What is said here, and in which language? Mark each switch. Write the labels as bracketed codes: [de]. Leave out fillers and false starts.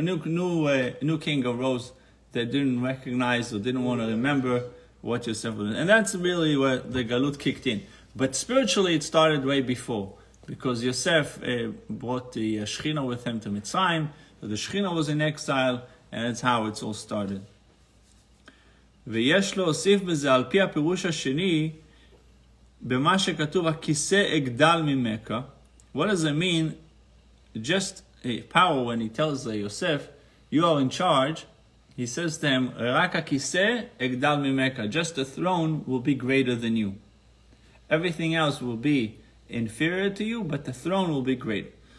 [en] A new king arose that didn't recognize or didn't want to remember what Yosef was. And that's really where the Galut kicked in. But spiritually, it started way before. Because Yosef brought the Shechina with him to Mitzrayim. So the Shechina was in exile. And that's how it all started. [he] ויש לו אוסיף בזה על פי הפירוש השני במה שכתוב הכיסא אגדל ממכה. [en] What does it mean? Just a power when he tells Yosef, you are in charge. He says to him, [he] רק הכיסא אגדל ממכה. [en] Just the throne will be greater than you. Everything else will be inferior to you, but the throne will be great.